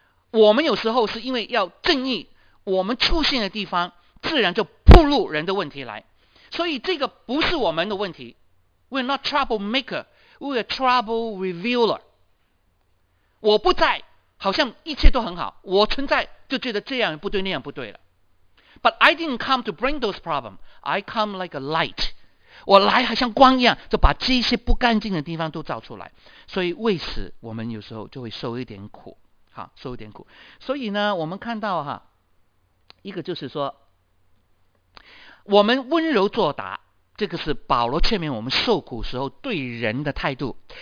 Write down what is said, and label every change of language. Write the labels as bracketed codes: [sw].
[zh] 我们有时候是因为要正义，我们出现的地方自然就暴露人的问题来，所以这个不是我们的问题。 [en] We're not troublemaker, we're trouble revealer。 [zh] 我不在好像一切都很好，我存在就觉得这样不对那样不对了。 [en] But I didn't come to bring those problems, I come like a light。 [zh] 我来好像光一样，就把这些不干净的地方都照出来，所以为此我们有时候就会受一点苦。好，受一点苦。所以呢，我们看到哈，一个就是说我们温柔作答，这个是保罗劝勉我们受苦时候对人的态度。